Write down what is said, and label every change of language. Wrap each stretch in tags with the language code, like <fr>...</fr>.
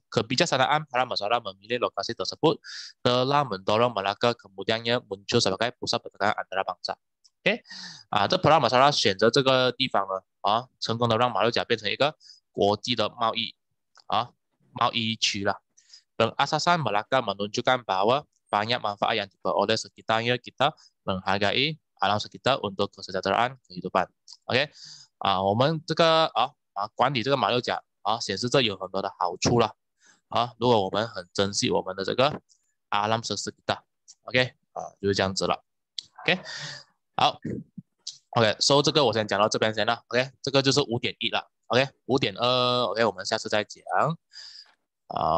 <ms>Kebijaksanaan Paramasora memilih lokasi tersebut telah mendorong Malaka kemudiannya muncul sebagai pusat perdagangan antara bangsa.</ms> <zh>OK， 啊，这 Paramasora 选择这个地方呢，啊，成功的让马六甲变成一个国际的贸易啊贸易区了。</zh> <ms>Pengasasan Malaka menunjukkan bahwa banyak manfaat yang diperoleh sekitarnya kita menghargai alam sekitar untuk kesejahteraan kehidupan.</ms> <zh>OK， 啊，我们这个啊管理这个马六甲。啊，显示这有很多的好处了。啊，如果我们很珍惜我们的这个阿拉姆斯斯达 ，OK， 啊，就是这样子了。 OK， 好 ，OK， 所以这个我先讲到这边先了。OK， 这个就是 5.1 了。OK， 5.2 OK， 我们下次再讲。好。</zh>